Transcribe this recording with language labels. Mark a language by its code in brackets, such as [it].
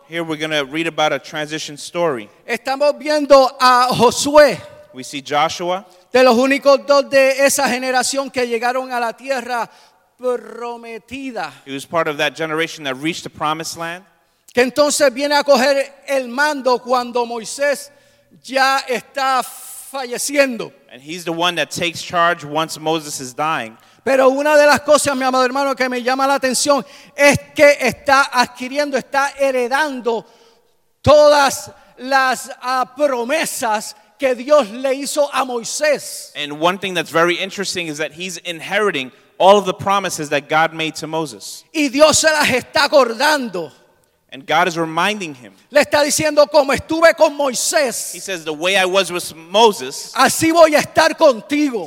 [en] Here we're going to read about a transition story. [es] Estamos viendo a Josué. [en] We see Joshua. [es] De los únicos dos de esa generación que llegaron a la tierra prometida. [en] He was part of that generation that reached the promised land. [es] Que entonces viene a coger el mando cuando Moisés ya está falleciendo. [en] And he's the one that takes charge once Moses is dying. [es] Pero una de las cosas, mi amado hermano, que me llama la atención es que está adquiriendo, está heredando todas las promesas que Dios le hizo a Moisés. [en] And one thing that's very interesting is that he's inheriting all of the promises that God made to Moses. [es] Y Dios se las está acordando. [en] And God is reminding him. [es] Le está diciendo, como estuve con Moisés, [en] he says, the way I was with Moses, [es] así voy a estar contigo.